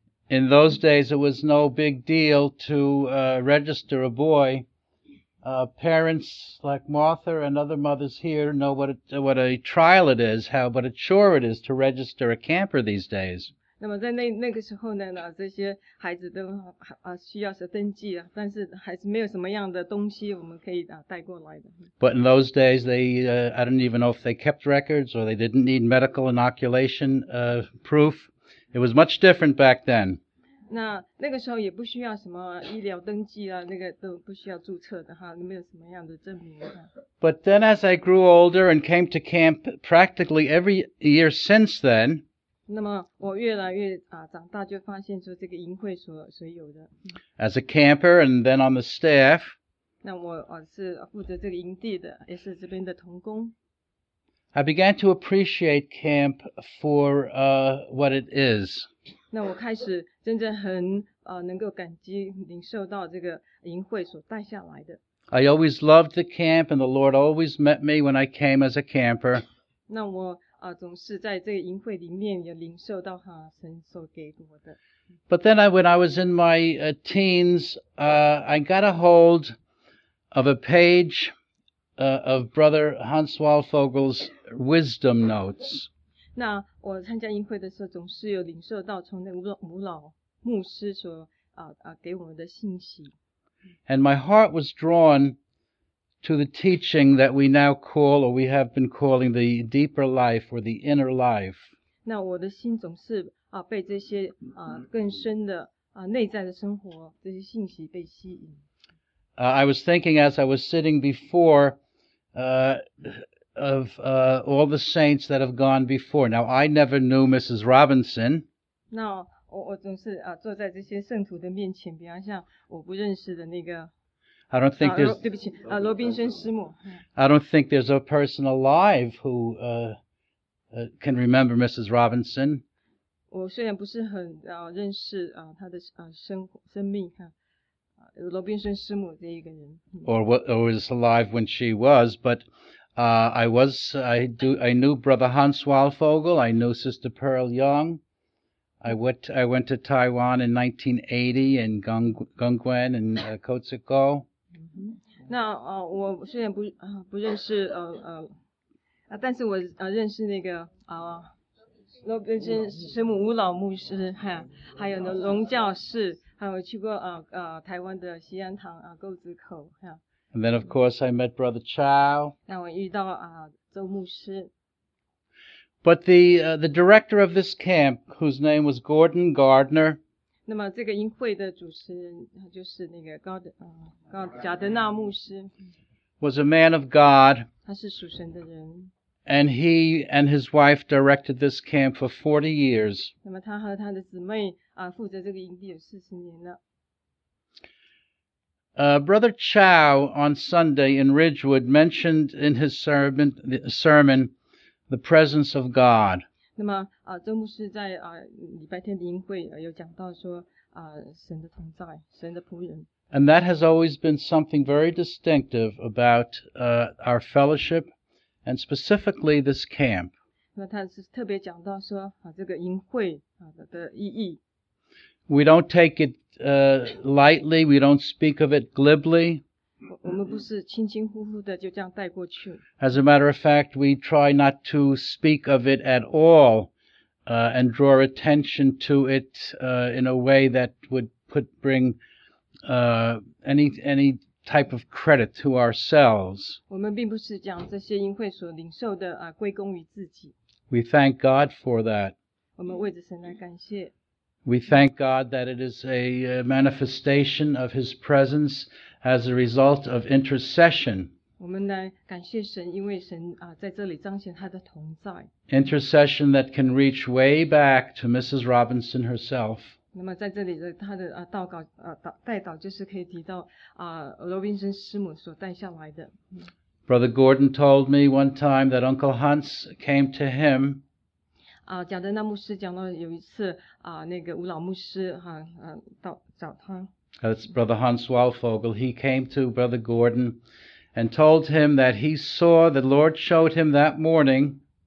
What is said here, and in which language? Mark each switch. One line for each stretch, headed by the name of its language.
English: In those days, it was no big deal to register a boy. Parents like Martha and other mothers here know what a trial it is, but a chore it is to register a camper these days.
Chinese: 那么在那个时候呢，这些孩子都需要是登记啊，但是还是没有什么样的东西我们可以带过来的。
English: But in those days, I don't even know if they kept records or they didn't need medical inoculation proof. It was much different back then.
Chinese: 那个时候也不需要什么医疗登记啊，那个都不需要注册的哈，没有什么样的证明。
English: But then as I grew older and came to camp practically every year since then,
Chinese: 那么我越来越长大就发现说这个营会所有的。
English: As a camper and then on the staff,
Chinese: 那我是负责这个营地的，也是这边的同工。
English: I began to appreciate camp for what it is.
Chinese: 那我开始真正很能够感激领受到这个营会所带下来的。
English: I always loved the camp, and the Lord always met me when I came as a camper.
Chinese: 那我总是在这个营会里面也领受到哈神所给我的。
English: But then when I was in my teens, I got a hold of a page. Of Brother Hans Walfogel's wisdom notes.
Chinese: 那我参加营会的时候，总是有领受到从那个吴老牧师所给我们的信息。
English: And my heart was drawn to the teaching that we now call, or we have been calling, the deeper life or the inner life.
Chinese: 那我的心总是被这些更深的内在的生活这些信息被吸引。
English: I was thinking as I was sitting before of all the saints that have gone before. Now, I never knew Mrs. Robinson.
Chinese: 那我总是坐在这些圣徒的面前，比方像我不认识的那个。
English: I don't think there's
Chinese: 对不起, 罗宾逊师母,
English: I don't think there's a person alive who can remember Mrs. Robinson.
Chinese: 我虽然不是很认识她的生命罗宾逊师母这一个人。
English: Or was alive when she was, but I knew Brother Hans Weilfogel, I knew Sister Pearl Young. I went to Taiwan in 1980 in Gungguan and Kotsuko.
Chinese: 那我虽然不认识但是我认识那个罗宾逊师母吴老牧师哈，还有呢龙教士，还有去过台湾的西安堂沟子口哈。
English: And then of course I met Brother Chow.
Chinese: 那我遇到周牧师。
English: But the director of this camp, whose name was Gordon Gardner.
Chinese: 那么这个营会的主持人就是那个贾德纳牧师。
English: Was a man of God.
Chinese: 他是属神的人。
English: And he and his wife directed this camp for 40 years.
Chinese: 那么他和他的姊妹负责这个营地有40年了。
English: Brother Chow on Sunday in Ridgewood mentioned in his sermon the presence of God.
Chinese: 那么周牧师在礼拜天的营会有讲到说神的同在，神的仆人。
English: And that has always been something very distinctive about our fellowship, and specifically this camp.
Chinese: 那他是特别讲到说这个营会的意义。
English: We don't take it lightly. We don't speak of it glibly.
Chinese: 我们不是轻轻忽忽的就这样带过去。
English: As a matter of fact, we try not to speak of it at all, and draw attention to it in a way that would bring any type of credit to ourselves.
Chinese: 我们并不是讲这些营会所领受的归功于自己。
English: We thank God for that.
Chinese: 我们为着神来感谢。
English: We thank God that it is a manifestation of His presence as a result of intercession.
Chinese: 我们来感谢神，因为神在这里彰显他的同在。
English: Intercession that can reach way back to Mrs. Robinson herself.
Chinese: 那么在这里的他的祷告代祷就是可以提到罗宾逊师母所带下来的。
English: Brother Gordon told me one time that Uncle Hans came to him.
Chinese: 贾德纳牧师讲到有一次那个吴老牧师到找他。
English: That's Brother Hans Weilfogel. He came to Brother Gordon and told him that he saw the Lord showed him that morning.